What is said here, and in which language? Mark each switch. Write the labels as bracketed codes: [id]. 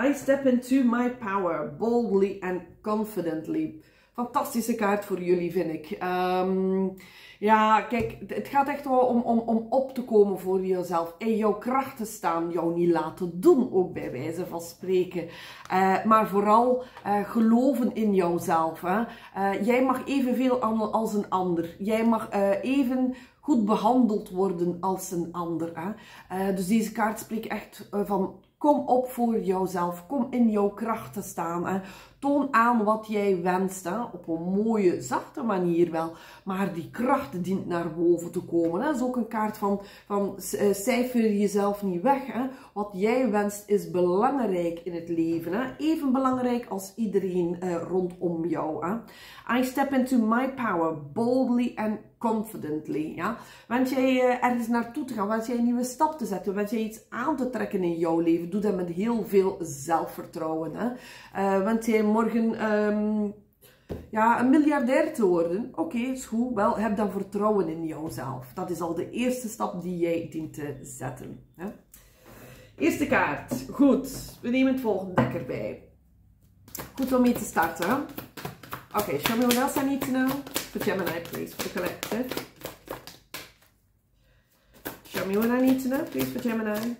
[en] I step into my power boldly and confidently. [nl] Fantastische kaart voor jullie, vind ik. Ja, kijk, het gaat echt wel om op te komen voor jezelf. In jouw kracht te staan, jou niet laten doen, ook bij wijze van spreken. Maar vooral geloven in jouzelf. Hè. Jij mag evenveel als een ander. Jij mag even goed behandeld worden als een ander. Hè. Dus deze kaart spreekt echt van kom op voor jouzelf. Kom in jouw kracht te staan. Hè. Toon aan wat jij wenst. Hè. Op een mooie, zachte manier wel. Maar die kracht dient naar boven te komen. Hè. Dat is ook een kaart van cijfer jezelf niet weg. Hè. Wat jij wenst is belangrijk in het leven. Hè. Even belangrijk als iedereen rondom jou. Hè. [en] I step into my power boldly and confidently. [nl] Ja. Wens jij ergens naartoe te gaan? Wens jij een nieuwe stap te zetten? Wens jij iets aan te trekken in jouw leven? Doe dat met heel veel zelfvertrouwen. Hè. Wens jij morgen een miljardair te worden? Oké, is goed. Wel, heb dan vertrouwen in jouzelf. Dat is al de eerste stap die jij dient te zetten. Hè. Eerste kaart. Goed. We nemen het volgende dek erbij. Goed om mee te starten. Hè. [en] Okay, show me what else I need to know for Gemini, please, for the collective. me what I need to know, please, for Gemini.